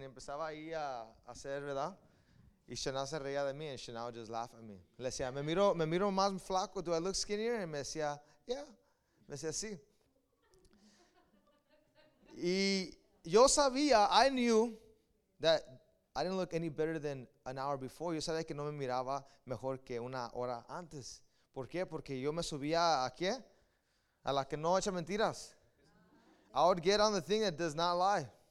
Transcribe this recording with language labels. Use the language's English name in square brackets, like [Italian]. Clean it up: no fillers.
[Spanish] Empezaba ahí a hacer, ¿verdad? Y Shana se reía de mí, [English] and Shana would just laugh at me. [Spanish] Le decía, me miro más flaco. [English] Do I look skinnier? [Spanish] Y me decía, yeah. Me decía, sí. Y yo sabía, [English] I knew that I didn't look any better than an hour before. [Spanish] Yo sabía que no me miraba mejor que una hora antes. ¿Por qué? Porque yo me subía a qué? A la que no echa mentiras. [English] I would get on the thing that does not lie.